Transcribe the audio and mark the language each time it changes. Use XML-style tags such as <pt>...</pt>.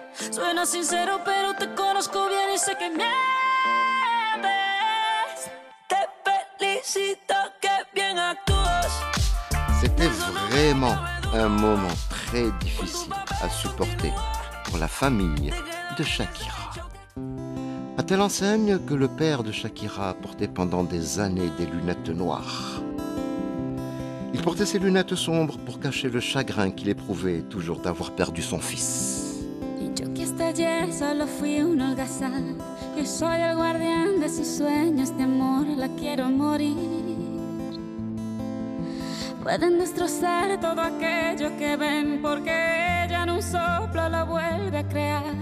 <es>Suena sincero, pero te conozco bien y sé que mientes. Te felicito que bien actúas.</es> <fr>C'était vraiment un moment très difficile à supporter pour la famille de Shakira. À telle enseigne que le père de Shakira portait pendant des années des lunettes noires. Il portait ses lunettes sombres pour cacher le chagrin qu'il éprouvait toujours d'avoir perdu son fils.</fr> <es>Et yo que hasta ayer solo fui un holgazán, que soy el guardián de sus sueños de amor. la quiero morir. Pueden destrozar todo aquello que ven, porque ella en un soplo la vuelve a crear.</es>